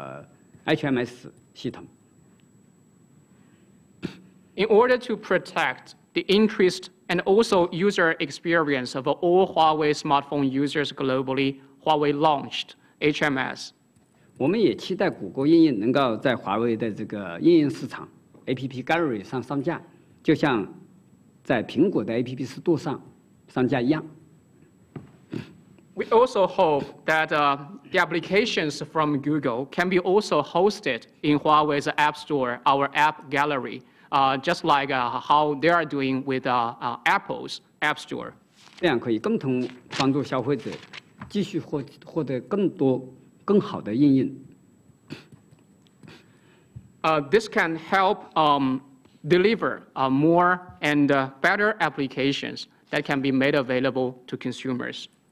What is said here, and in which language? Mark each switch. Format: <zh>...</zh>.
<zh>为了保护全球华为智能手机用户的利益和使用体验，华为推出了这个HMS系统。</zh> <en>In order to protect the interest and also user experience of all Huawei smartphone users globally, Huawei launched HMS.</en> <zh>我们也期待谷歌应用能够在华为的这个应用市场 APP Gallery 上上架，就像在苹果的 APP Store 上上架一样。</zh> <en>We also hope that the applications from Google can be also hosted in Huawei's App Store, our App Gallery. Just like how they are doing with Apple's App Store.</en> <zh>这样可以共同帮助消费者继续获得更多更好的应用。</zh> <en>This can help deliver more and better applications that can be made available to consumers.</en>